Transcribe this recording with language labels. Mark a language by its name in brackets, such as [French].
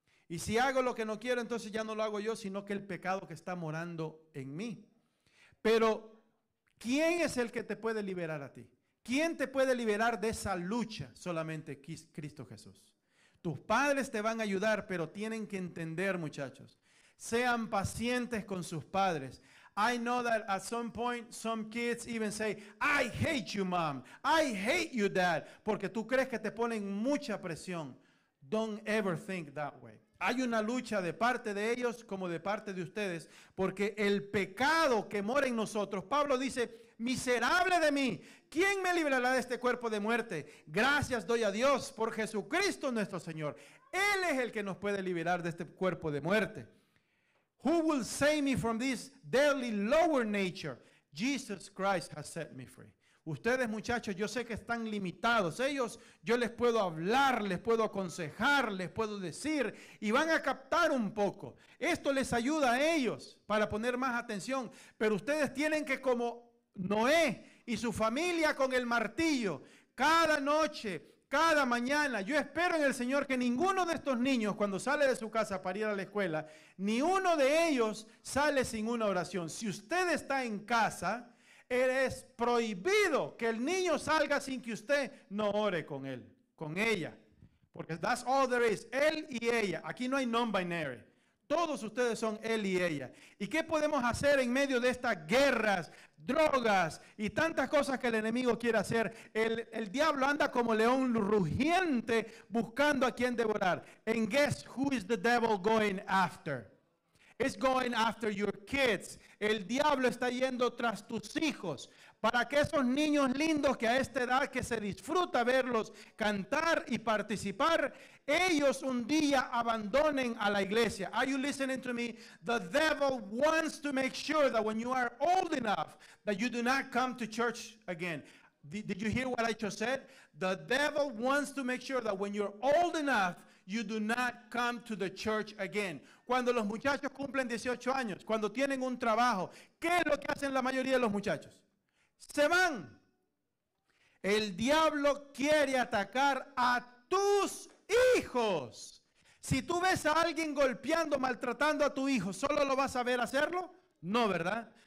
[Spanish] Y si hago lo que no quiero, entonces ya no lo hago yo, sino que el pecado que está morando en mí. Pero, ¿quién es el que te puede liberar a ti? ¿Quién te puede liberar de esa lucha? Solamente Cristo Jesús. Tus padres te van a ayudar, pero tienen que entender, muchachos. Sean pacientes con sus padres. [English] I know that at some point, some kids even say, I hate you, mom. I hate you, dad. [Spanish] Porque tú crees que te ponen mucha presión. [English] Don't ever think that way. [Spanish] Hay una lucha de parte de ellos como de parte de ustedes, porque el pecado que mora en nosotros, Pablo dice, miserable de mí, ¿quién me librará de este cuerpo de muerte? Gracias doy a Dios por Jesucristo nuestro Señor. Él es el que nos puede liberar de este cuerpo de muerte. [English] Who will save me from this deadly lower nature? Jesus Christ has set me free. [Spanish] Ustedes, muchachos, yo sé que están limitados. Ellos, yo les puedo hablar, les puedo aconsejar, les puedo decir y van a captar un poco. Esto les ayuda a ellos para poner más atención. Pero ustedes tienen que, como Noé y su familia con el martillo, cada noche, cada mañana, yo espero en el Señor que ninguno de estos niños, cuando sale de su casa para ir a la escuela, ni uno de ellos sale sin una oración. Si usted está en casa, es prohibido que el niño salga sin que usted no ore con él, con ella. Porque [English] that's all there is, [Spanish] él y ella. Aquí no hay non-binary. Todos ustedes son él y ella. ¿Y qué podemos hacer en medio de estas guerras, drogas y tantas cosas que el enemigo quiere hacer? El diablo anda como león rugiente buscando a quien devorar. [English] And guess who is the devil going after? It's going after your kids. [Spanish] El diablo está yendo tras tus hijos para que esos niños lindos que a esta edad que se disfruta verlos cantar y participar, ellos un día abandonen a la iglesia. [English] Are you listening to me? The devil wants to make sure that when you are old enough that you do not come to church again. Did you hear what I just said? The devil wants to make sure that when you're old enough, you do not come to the church again. [Spanish] Cuando los muchachos cumplen 18 años, cuando tienen un trabajo, ¿qué es lo que hacen la mayoría de los muchachos? Se van. El diablo quiere atacar a tus hijos. Si tú ves a alguien golpeando, maltratando a tu hijo, ¿solo lo vas a ver hacerlo? No, ¿verdad?